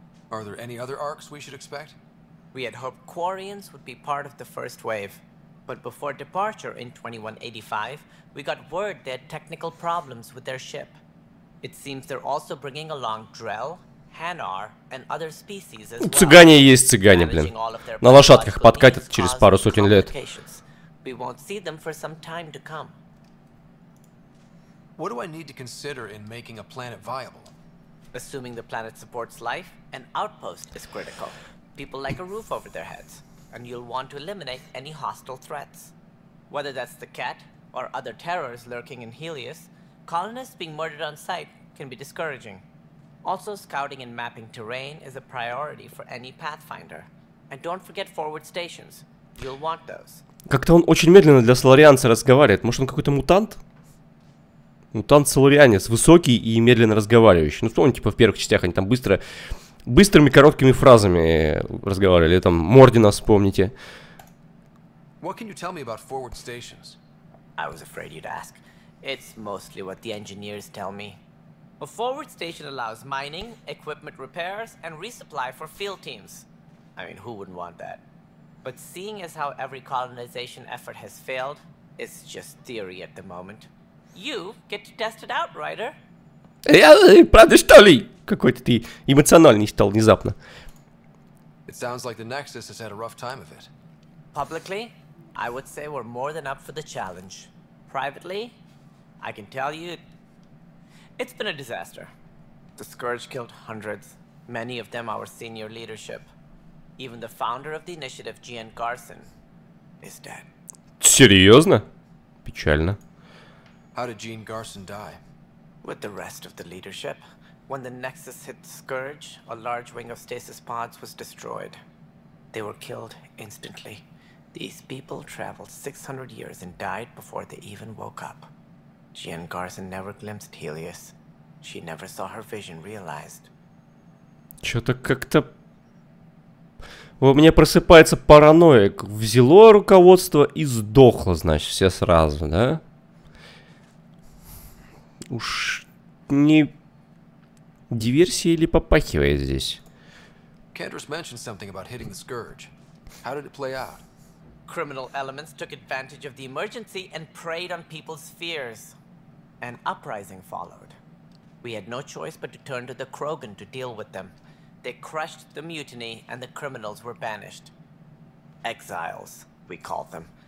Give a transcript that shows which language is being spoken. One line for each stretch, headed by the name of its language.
English: Are there any other arcs we should expect? We had hoped Quarians would be part of the first wave. But before departure in 2185, we got word they had technical problems with their ship. It seems they're also bringing along Drell, Hanar, and other species as well.
Russian: Цыгане есть цыгане, блин. На лошадках подкатят через пару сотен лет.
English: We won't see them for some time to come. What do I need to consider in making a planet viable? Assuming the planet supports life, an outpost is critical. People like a roof over their heads, and you'll want to eliminate any hostile threats. Whether that's the Ket or other terrors lurking in Helios, colonists being murdered on site can be discouraging. Also, scouting and mapping terrain is a priority for any Pathfinder. And don't forget forward stations. You'll want those.
Russian: Как-то он очень медленно для Соларианца разговаривает. Может, он какой-то мутант? Мутант-соларианец, высокий и медленно разговаривающий. Ну, вспомни, типа, в первых частях они там быстро, быстрыми короткими фразами разговаривали. Там Мордина, вспомните.
English: What can you tell me about forward stations? I was afraid you'd ask. It's mostly what the engineers tell me. A forward station allows mining, equipment repairs, and resupply for field teams. I mean, who wouldn't want that? But seeing as how every colonization effort has failed, it's just theory at the moment. You get to test it out, Ryder.
Russian: Правда, что ли? Какой-то ты эмоциональный стал внезапно.
English: It sounds like the Nexus has had a rough time of it. Publicly, I would say we're more than up for the challenge. Privately, I can tell you, it's been a disaster. The Scourge killed hundreds, many of them our senior leadership. Even the founder of the initiative, Gian Garson, is dead.
Russian: Серьезно? Печально.
English: How did Gene Garson die? With the rest of the leadership. When the Nexus hit Scourge, a large wing of stasis pods was destroyed. They were killed instantly. These people traveled 600 years and died before they even woke up. Jean Garson never glimpsed Helios. She never saw her vision realized.
Russian: Что-то как-то... У меня просыпается паранойя. Взяло руководство и сдохло, значит, все сразу, да? Уж не... Диверсия или попахивает здесь?
English: Кендрис mentioned something about hitting the Scourge. How did it play out? Criminal elements took advantage of the emergency and preyed on people's fears. An uprising followed. We had no choice but to turn to the Krogan to deal with them. They crushed the mutiny and the criminals were banished. Exiles, we call them.